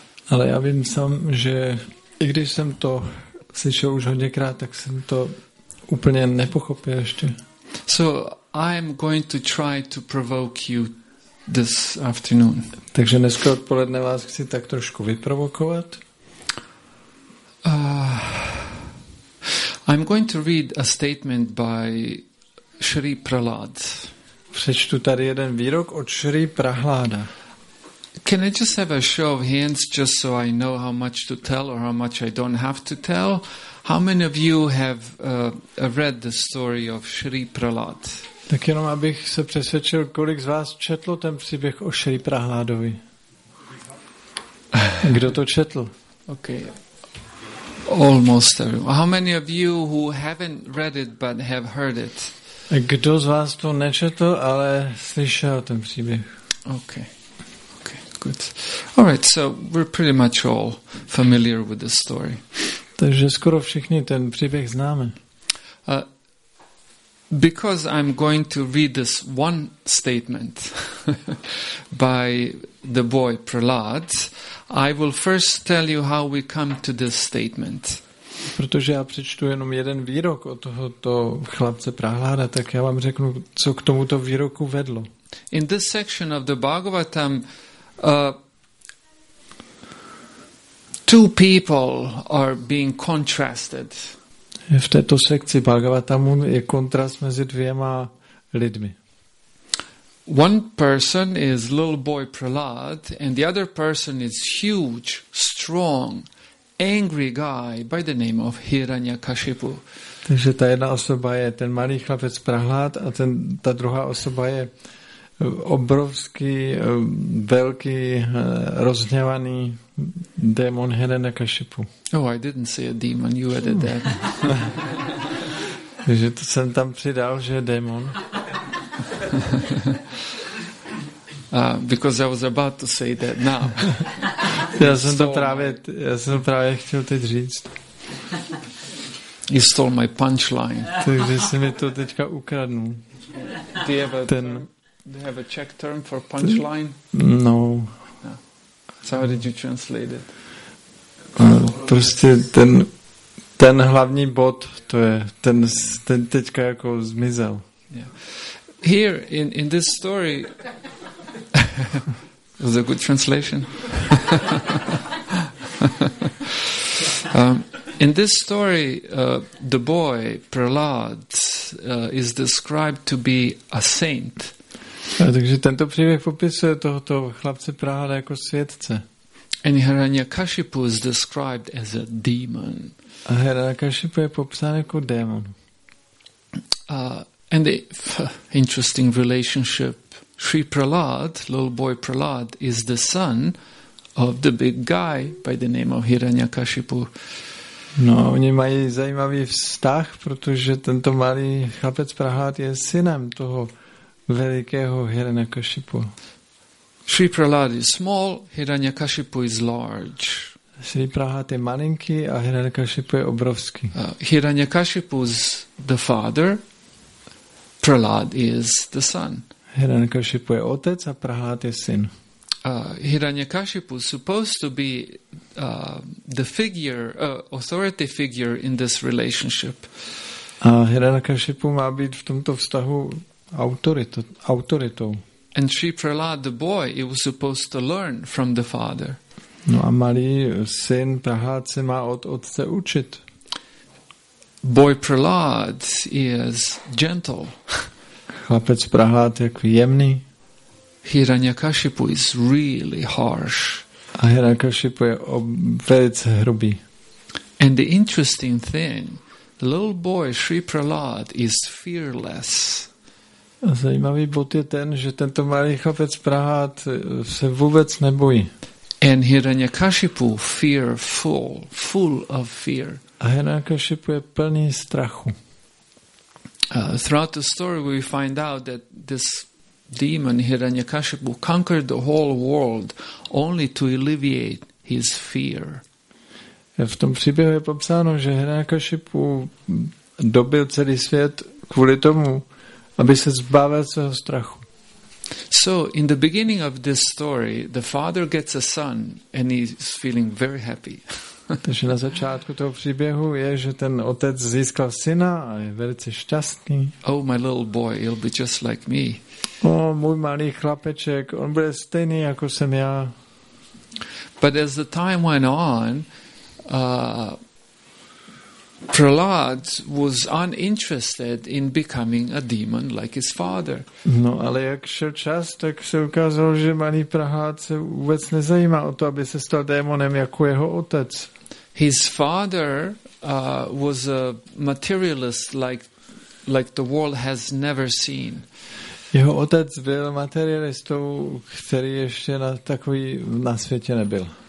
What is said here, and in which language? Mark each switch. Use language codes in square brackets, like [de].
[cs] Ale já vím sám, že i když jsem to slyšel už hodněkrát, tak jsem to úplně nepochopil ještě. [en] So I'm going to try to provoke you this afternoon. [cs] Takže dneska odpoledne vás chci tak trošku vyprovokovat. [en] I'm going to read a statement by Shri Prahlad. [cs] Přečtu tady jeden výrok od Shri Prahláda. [en] Can I just have a show of hands just so I know how much to tell or how much I don't have to tell? How many of you have read the story of Shri Prahlad? [cs] Tak jenom abych se přesvědčil, kolik z vás četlo ten příběh o Shri Prahládovi. Kdo to četl? [en] Okay. Almost everyone. How many of you who haven't read it but have heard it? [cs] Kdo z vás to nečetl, ale slyšel ten příběh? [en] Okay. Okay. Good. All right. So we're pretty much all familiar with the story. [cs] Takže skoro všichni ten příběh známe. [en] Because I'm going to read this one statement by the boy Prahlad, I will first tell you how we come to this statement. [cs] Protože já přečtu jenom jeden výrok od tohoto chlapce Prahláda, tak já vám řeknu, co k tomuto výroku vedlo. [en] In this section of the Bhagavatam, two people are being contrasted. [cs] V této sekci Bhagavatamu je kontrast mezi dvěma lidmi. [en] One person is little boy Prahlad and the other person is huge, strong, angry guy by the name of Hiranyakashipu. [cs] Takže ta jedna osoba je ten malý chlapec Prahlad a ta druhá osoba je obrovský, velký, rozhněvaný démon Hiranyakashipu. [en] Oh, I didn't say a demon, you added that. [cs] Takže to jsem tam přidal, že je démon. [en] Because I was about to say that now. [cs] já jsem to právě chtěl teď říct. [en] You stole my punchline. [cs] Takže jsi mi to teďka ukradnul. [en] Do you have a Czech term for punchline? No. So how did you translate it? [cs] Prostě ten hlavní bod, to je ten teďka jako zmizel. [en] Yeah. Here in this story was a good translation. In this story, the boy Prahlad is described to be a saint. [cs] Takže tento příběh popisuje tohoto chlapce Prahláda jako světce. [en] And Hiranyakashipu is described as a demon. [cs] A Hiranyakashipu je popsán jako démon. [en] And the interesting relationship, Shri Prahlad, little boy Prahlad, is the son of the big guy by the name of Hiranyakashipu. [cs] No, oni mají zajímavý vztah, protože tento malý chlapec Prahlad je synem toho velikého Hiranyakashipu. [en] Shri Prahlad is small, Hiranyakashipu is large. [cs] Shri Prahlad je malinký a Hiranyakashipu je obrovský. [en] Hiranyakashipu is the father, Prahlad is the son. [cs] Hiranyakashipu je otec a Prahlad je syn. [en] Hiranyakashipu is supposed to be the figure, authority figure in this relationship. [cs] A Hiranyakashipu má být v tomto vztahu autoritou. [en] And Shri Prahlad, the boy, he was supposed to learn from the father. [cs] No a malý syn Prahlad se má od otce učit. [en] Boy Prahlad is gentle. [cs] Chlapec Prahlad je jemný. [en] Hiranyakashipu is really harsh. [cs] A Hiranyakashipu je velice hrubý. [en] And the interesting thing, the little boy Sri Prahlad is fearless. [cs] A zajímavý bod je ten, že tento malý chlapec Prahlad se vůbec nebojí. [en] And Hiranyakashipu fearful, full of fear. [cs] A Hiranyakashipu je plný strachu. [en] Throughout the story we find out that this demon Hiranyakashipu conquered the whole world only to alleviate his fear. [cs] V tom příběhu je popsáno, že Hiranyakashipu dobil celý svět kvůli tomu, aby se zbavil svého strachu. [en] So in the beginning of this story, the father gets a son and he's feeling very happy. [cs] Takže na začátku toho příběhu je, že ten otec získal syna a je velice šťastný. [en] Oh, my little boy, he'll be just like me. [cs] Oh, můj malý chlapeček, on bude stejný jako jsem já. [en] But as the time went on, Prahlad was uninterested in becoming a demon like his father. [cs] No, ale jak šel čas, tak se ukázalo, že malý Prahlad se vůbec nezajímá o to, aby se stal démonem jako jeho otec. [en] His father was a materialist like the world has never seen. [cs] Jeho otec byl materialistou, který ještě na takový na světě nebyl.